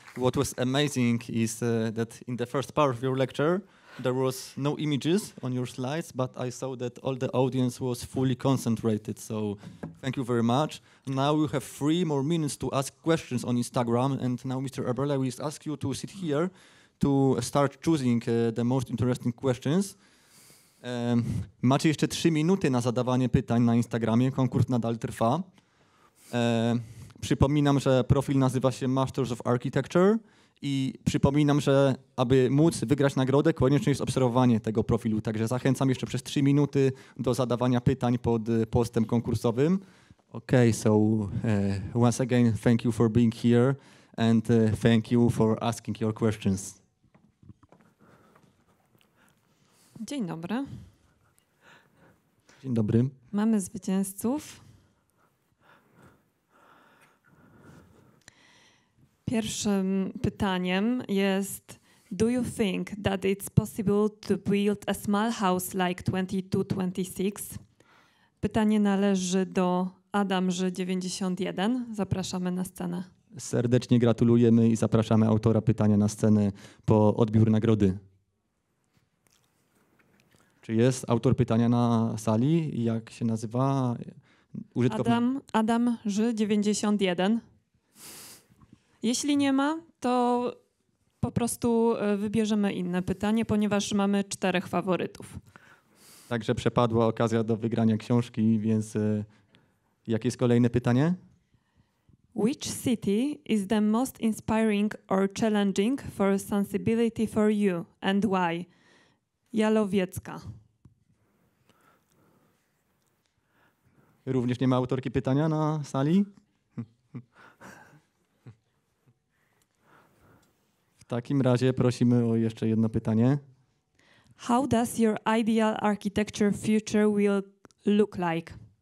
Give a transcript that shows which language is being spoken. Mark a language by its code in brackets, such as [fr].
[en] What was amazing is that in the first part of your lecture, there was no images on your slides, but I saw that all the audience was fully concentrated. So thank you very much. Now we have 3 more minutes to ask questions on Instagram. And now, Mr. Eberle, we ask you to sit here to start choosing the most interesting questions. [pl] Macie jeszcze 3 minuty na zadawanie pytań na Instagramie. Konkurs nadal trwa. Przypominam, że profil nazywa się Masters of Architecture i przypominam, że aby móc wygrać nagrodę, konieczne jest obserwowanie tego profilu. Także zachęcam jeszcze przez 3 minuty do zadawania pytań pod postem konkursowym. [en] Okay, so once again, thank you for being here and thank you for asking your questions. [pl] Dzień dobry. Dzień dobry. Mamy zwycięzców. Pierwszym pytaniem jest: [en] do you think that it's possible to build a small house like 22-26? [pl] Pytanie należy do Adamży91. Zapraszamy na scenę. Serdecznie gratulujemy i zapraszamy autora pytania na scenę po odbiór nagrody. Czy jest autor pytania na sali? Jak się nazywa? Adamży91. Jeśli nie ma, to po prostu wybierzemy inne pytanie, ponieważ mamy 4 faworytów. Także przepadła okazja do wygrania książki, więc jakie jest kolejne pytanie? [en] Which city is the most inspiring or challenging for sensibility for you and why? [pl] Jalowiecka. Również nie ma autorki pytania na sali? W takim razie prosimy o jeszcze jedno pytanie. [en] How does your ideal architecture future will look like?